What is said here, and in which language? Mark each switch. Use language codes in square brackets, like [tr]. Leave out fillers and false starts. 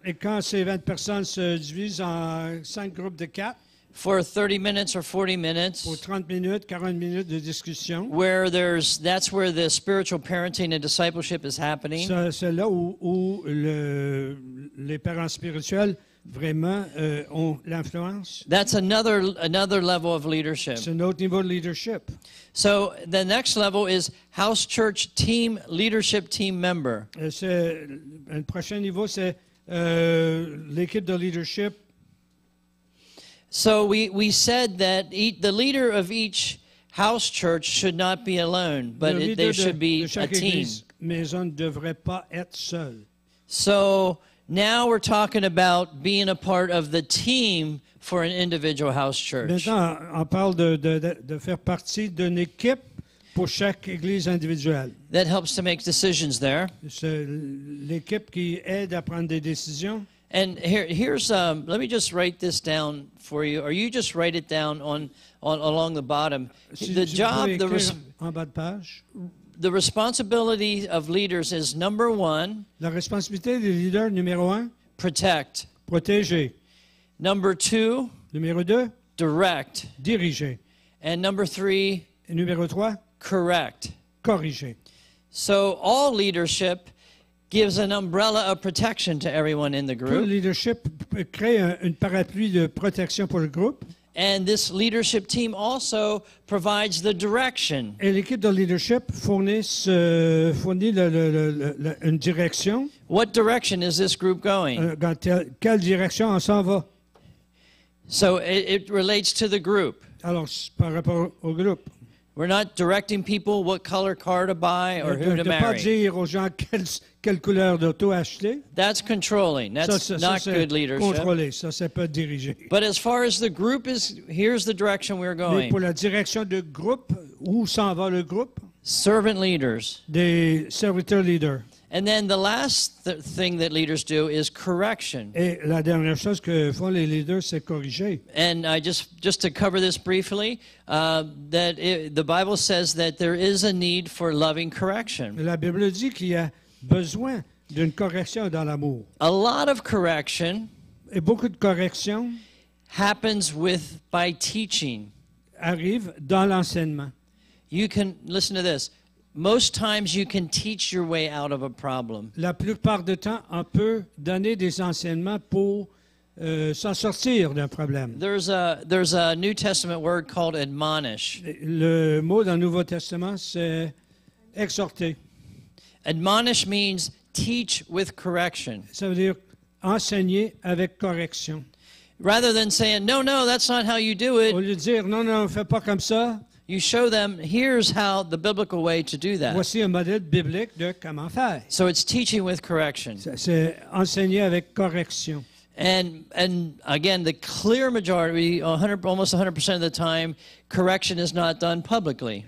[fr] et quand ces 20 personnes se divisent en cinq groupes de quatre, [en] for 30 minutes or 40 minutes, [fr] pour 30 minutes, 40 minutes de discussion, [en] where that's where the spiritual parenting and discipleship is happening. [fr] C'est là où les parents spirituels vraiment ont l'influence. [en] That's another level of leadership. [fr] C'est un autre niveau de leadership. [en] So the next level is house church team leadership team member. [fr] Un prochain niveau, c'est l'équipe de leadership. [en] So we said that the leader of each house church should not be alone, but they should be a team. [fr] Maison ne devrait pas être seul. [en] So now we're talking about being a part of the team for an individual house church. [fr] Maintenant, on parle de faire partie d'une équipe pour chaque église individuelle. [en] That helps to make decisions there. [fr] C'est l'équipe qui aide à prendre des décisions. [en] And here's let me just write this down for you, or you just write it down on along the bottom. The responsibility of leaders is number one. [fr] La responsabilité des leaders numéro un. [en] Protect. [fr] Protéger. [en] Number two. [fr] Numéro deux. [en] Direct. [fr] Diriger. [en] And number three. [fr] Et numéro trois. [en] Correct. [fr] Corriger. [en] So all leadership gives an umbrella of protection to everyone in the group. [fr] Tout leadership crée une parapluie de protection pour le groupe. [en] And this leadership team also provides the direction. [fr] Et l'équipe de leadership fournit une direction. [en] What direction is this group going? [fr] Quelle direction on s'en va? [en] So it relates to the group. [fr] Alors, par rapport au groupe. [en] We're not directing people what color car to buy or who to marry. [fr] De pas dire aux gens quelle couleur d'auto acheter. [en] That's controlling. That's not good leadership. [fr] Contrôler, ça c'est pas diriger. [en] But as far as the group is, here's the direction we're going. [fr] Mais pour la direction de groupe, où s'en va le groupe? [en] Servant leaders. [fr] Des serviteurs leaders. [en] And then the last thing that leaders do is correction. [fr] Et la dernière chose que font les leaders, c'est corriger. [en] And I just to cover this briefly, the Bible says that there is a need for loving correction. [fr] La Bible dit qu'il y a besoin d'une correction dans l'amour. [en] A lot of correction. [fr] Et beaucoup de correction. [en] Happens by teaching. [fr] Arrive dans l'enseignement. [en] You can listen to this. Most times you can teach your way out of a problem. [fr] La plupart du temps, on peut donner des enseignements pour s'en sortir d'un problème. [en] There's a New Testament word called admonish. [fr] Le mot dans le Nouveau Testament, c'est exhorter. [en] Admonish means teach with correction. [fr] Ça veut dire enseigner avec correction. [en] Rather than saying, no, that's not how you do it. [fr] Au lieu de dire, non, fais pas comme ça. [en] You show them, here's how the biblical way to do that. [fr] Voici un modèle biblique de comment faire. [en] So it's teaching with correction. [fr] C'est enseigner avec correction. [en] And again, the clear majority, almost 100% of the time, correction is not done publicly.